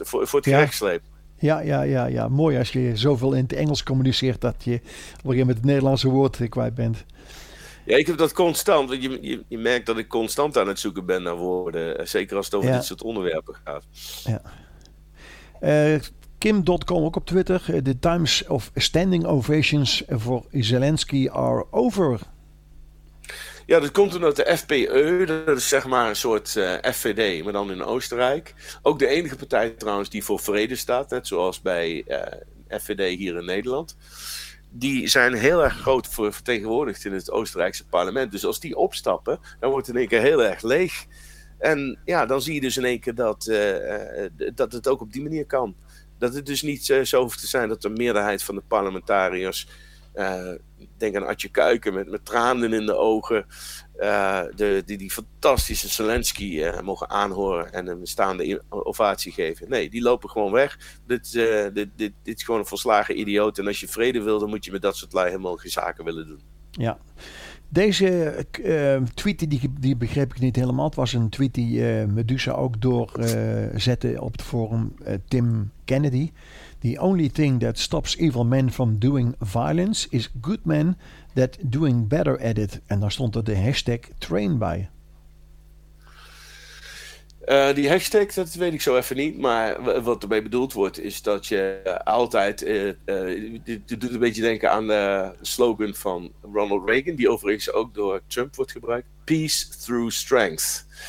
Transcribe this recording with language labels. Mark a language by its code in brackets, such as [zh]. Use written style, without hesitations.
[nl] Voor het gerechtsleep. Ja. Mooi als je zoveel in het Engels communiceert dat je weer met het Nederlandse woord kwijt bent. Ja, ik heb dat constant. Want je merkt dat ik constant aan het zoeken ben naar woorden. Zeker als het over dit soort onderwerpen gaat. Ja. Kim.com ook op Twitter. [en] The times of standing ovations for Zelensky are over. [nl] Ja, dat komt omdat de FPÖ, dat is zeg maar een soort FVD, maar dan in Oostenrijk. Ook de enige partij trouwens die voor vrede staat, net zoals bij FVD hier in Nederland. Die zijn heel erg groot vertegenwoordigd in het Oostenrijkse parlement. Dus als die opstappen, dan wordt het in één keer heel erg leeg. En ja, dan zie je dus in één keer dat het ook op die manier kan. Dat het dus niet zo hoeft te zijn dat de meerderheid van de parlementariërs, denk aan Atje Kuiken met tranen in de ogen, die fantastische Zelensky mogen aanhoren en een staande ovatie geven. Nee, die lopen gewoon weg. Dit is gewoon een volslagen idioot. En als je vrede wil, dan moet je met dat soort lui helemaal geen zaken willen doen. Ja, deze tweet die begreep ik niet helemaal. Het was een tweet die Medusa ook doorzette op het forum Tim Kennedy. [en] The only thing that stops evil men from doing violence is good men that doing better at it. [nl] En daar stond er de hashtag train bij. Die hashtag, dat weet ik zo even niet. Maar wat ermee bedoeld wordt, is dat je altijd. Dit doet een beetje denken aan de slogan van Ronald Reagan, die overigens ook door Trump wordt gebruikt: peace through strength.